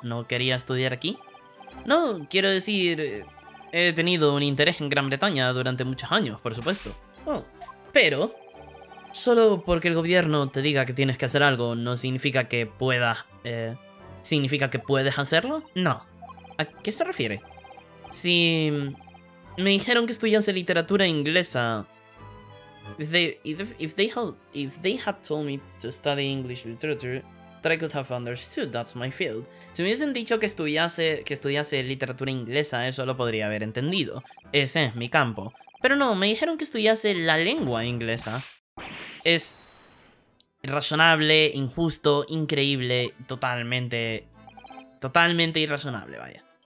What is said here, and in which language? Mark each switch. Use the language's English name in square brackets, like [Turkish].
[Spanish] ¿No quería estudiar aquí? No, quiero decir, he tenido un interés en Gran Bretaña durante muchos años, por supuesto. Oh. Pero, solo porque el gobierno te diga que tienes que hacer algo, ¿no significa que puedas, significa que puedes hacerlo? No. ¿A qué se refiere? Si me dijeron que estudiase literatura inglesa, [English] if they had told me to study English literature, that I could have understood that's my field. [Spanish] Si me hubiesen dicho que estudiase literatura inglesa, eso lo podría haber entendido. Ese es mi campo. Pero no, me dijeron que estudiase la lengua inglesa. Es irrazonable, injusto, increíble, totalmente irrazonable, vaya.